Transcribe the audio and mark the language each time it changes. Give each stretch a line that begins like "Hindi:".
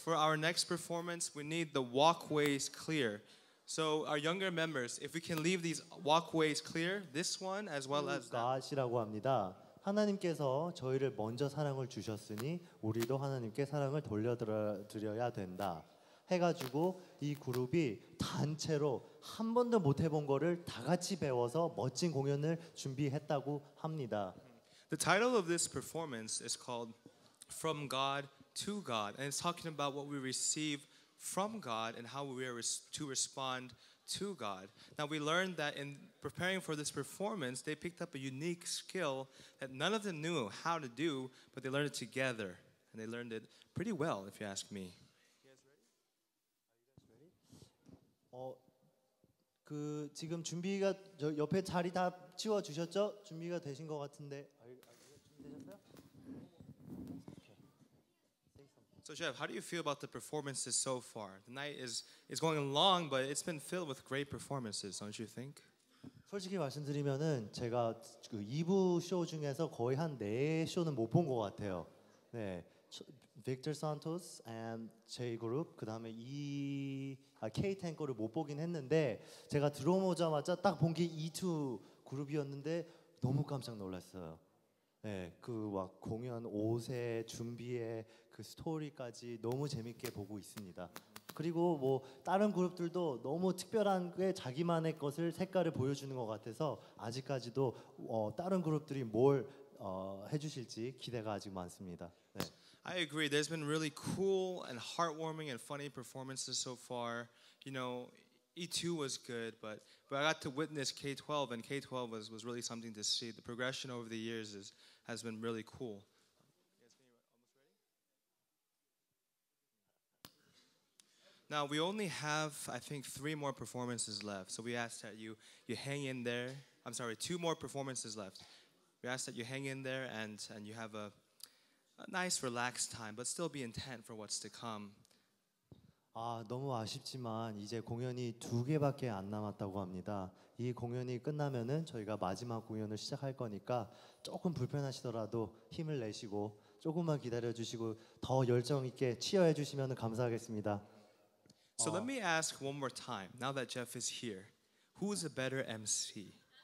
English: For our next performance, we need the walkways clear. So our younger members, if we can leave these walkways clear, this one as well as that.
Korean: God이라고 합니다. 하나님께서 저희를 먼저 사랑을 주셨으니 우리도 하나님께 사랑을 돌려드려야 된다. 해가지고 이 그룹이 단체로 한 번도 못 해본 거를 다 같이 배워서 멋진 공연을 준비했다고 합니다.
English: The title of this performance is called From God to God, and it's talking about what we receive from God and how we are to respond to God. Now, we learned that in preparing for this performance, they picked up a unique skill that none of them knew how to do, but they learned it together, and they learned it pretty well, if you ask me. Are you guys ready?
Korean: 그 지금 준비가 저 옆에 자리 다 치워 주셨죠? 준비가 되신 것 같은데.
English: So Jeff, how do you feel about the performances so far? The night is going long, but it's been filled with great performances, don't you think?
Korean: 솔직히 말씀드리면은 제가 그 2부 쇼 중에서 거의 한 네 쇼는 못 본 것 같아요. 네, Victor Santos and J Group, 그 다음에 K-10 거를 못 보긴 했는데 제가 들어오자마자 딱 본 게 E2 그룹이었는데 너무 깜짝 놀랐어요. 네, 그 막 공연 옷에 준비에 그 스토리까지 너무 재밌게 보고 있습니다. 그리고 뭐 다른 그룹들도 너무 특별한 게 자기만의 것을 색깔을 보여주는 것 같아서 아직까지도 다른 그룹들이 뭘 해주실지 기대가 아직 많습니다. 네.
English: I agree. There's been really cool and heartwarming and funny performances so far. You know, E2 was good, but I got to witness K-12, and K-12 was really something to see. The progression over the years has been really cool. Now, we only have, I think, 3 more performances left. So we ask that you hang in there. I'm sorry, 2 more performances left. We ask that you hang in there and you have a nice, relaxed time, but still be intent for what's to come.
Korean: 아, 너무 아쉽지만 이제 공연이 두 개밖에 안 남았다고 합니다. 이 공연이 끝나면은 저희가 마지막 공연을 시작할 거니까 조금 불편하시더라도 힘을 내시고 조금만 기다려주시고 더 열정 있게 치열해 주시면 감사하겠습니다.
English: So let me ask one more time, now that Jeff is here, who is a better MC?